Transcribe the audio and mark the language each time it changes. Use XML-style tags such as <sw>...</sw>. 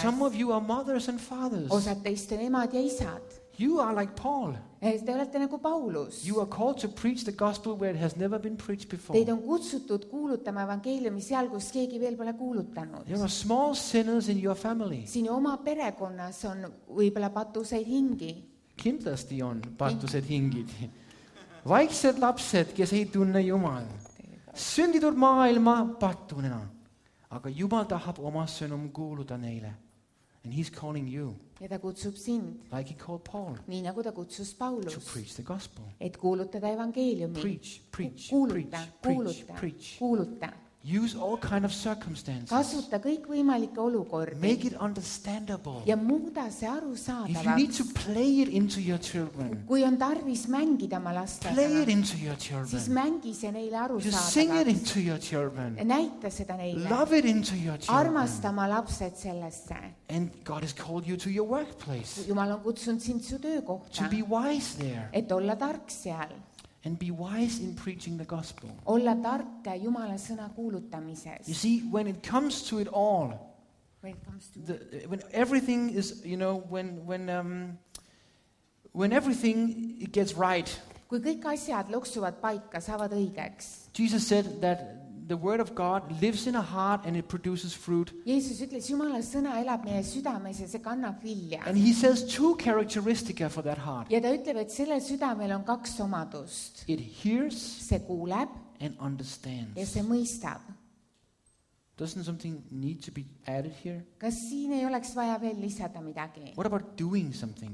<en>Some of you are mothers and fathers.</en> <et>Osad teist on emad ja isad.</et> <en>You are like Paul.</en> <et>Te olete nagu Paulus.</et> <en>You are called to preach the gospel where it has never been preached before.</en> <et>Teid on kutsutud kuulutama evangeeliumi seal, kus keegi veel pole kuulutanud.</et> <en>There are small sinners in your family.</en> <et>Sinu oma perekonnas on võib-olla patuseid hingi. Kindlasti on patuseid hingid. Vaiksed lapsed, kes ei tunne Jumal. Sündidud maailma pattunena. Aga Jumal tahab oma sõnum kuuluda neile.</et> <en>And he's calling you.</en> <et>Ja ta kutsub sind.</et> <en>Like he called Paul.</en> <et>Nii nagu ta kutsus Paulus.</et> <en>To preach the gospel.</en> <et>Et kuulutada evangeeliumi.</et> <en>Preach, preach,</en> <et>kuuluta,</et> <en>preach, preach,</en> <et>kuuluta.</et> <en>Use all kind of circumstances.</en> <et>Kasuta kõik võimalike olukordi.</et> <en>Make it understandable.</en> <et>Ja muuda see aru saadavaks.</et> <en>If you need to play it into your children.</en> <et>Kui on tarvis mängida ma lastega.</et> <en>Play it into your children.</en> <et>Siis mängi see neile aru saadavaks.</et> <en>Just sing it into your children.</en> <et>Näita seda neile.</et> <en>Love it into your children.</en> <et>Armasta ma lapsed sellesse.</et> <en>And God has called you to your workplace.</en> <et>Jumal on kutsunud sind su töökohta.</et> <en>To be wise there.</en> <et>Et olla tark seal.</et> <en>And be wise in preaching the gospel.</en> <et>Olla tark Jumala sõna kuulutamises.</et> <en>You see, when it comes to it all, when everything it gets right.</en> <et>Kui kõik asjad loksuvad paika, saavad õigeks.</et> <en>Jesus said that the word of God lives in a heart and it produces fruit.</en> <et>Jeesus ütles, Jumala sõna elab meie südames ja see kannab vilja.</et> <en>And he says two characteristics for that heart.</en> <et>Ja ta ütleb, et sellel südamel on kaks omadust.</et> <en>It hears.</en> <et>See kuuleb.</et> <en>And understands.</en> <et>Ja see mõistab.</et> <en>Doesn't something need to be added here?</en> <et>Kas siin ei oleks vaja veel lisada midagi?</et> <en>What about doing something?</en>